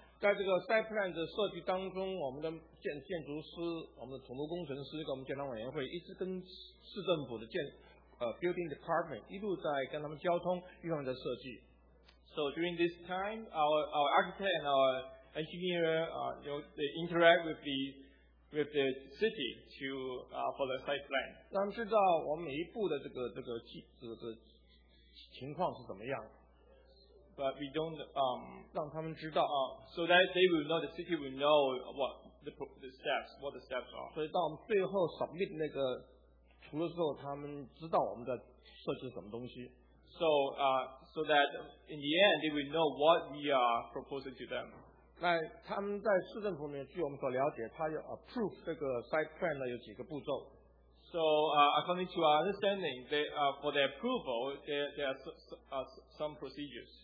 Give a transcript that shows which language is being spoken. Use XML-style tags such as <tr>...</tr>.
<zh>在这个 site plan 的设计当中，我们的建筑师、我们的土木工程师跟我们建堂委员会一直跟市政府的building department 一路在跟他们交通，一路在设计。</zh> <en>So during this time, our architect and our engineer, they interact with the city for the site plan.</en> <zh>让他知道我们每一步的这个情况是怎么样。</zh> <en>But we don't</en> <zh>让他们知道啊。</zh> <en>So that they will know, the city will know what the steps are.</en> <zh>所以到我们最后 submit 那个图的时候，他们知道我们在设计什么东西。</zh> <en>So that in the end they will know what we are proposing to them.</en> <zh>那他们在市政府里面，据我们所了解，他要 approve 这个 site plan 呢，有几个步骤。</zh> <en>So according to our understanding, for the approval, there are some procedures.</en>